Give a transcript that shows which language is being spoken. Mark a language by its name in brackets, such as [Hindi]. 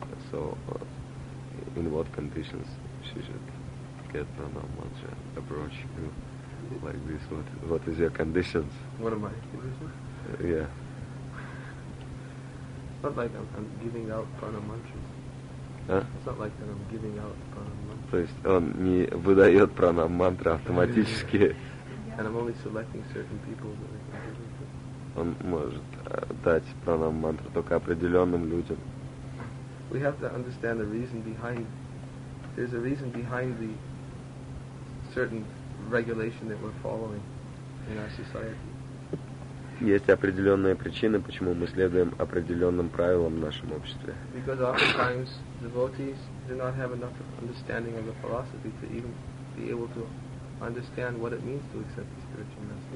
[English] So, in what conditions she should get pranam mantra, approach you like this? What is your conditions? What am I? Conditions? Yeah. It's not like I'm giving out pranam mantras. It's not like that I'm giving out pranam mantras. [Russian] То есть он не выдает пранам мантра автоматически. [English] And I'm only selecting certain people that I can give it to. [Russian] Он может дать пранам мантру только определенным людям. [English] We have to understand the reason behind. There's a reason behind the certain regulation that we're following in our society. [Russian] Есть определенные причины, почему мы следуем определенным правилам в нашем обществе. [English] Because oftentimes devotees do not have enough understanding of the philosophy to even be able to understand what it means to accept the spiritual message.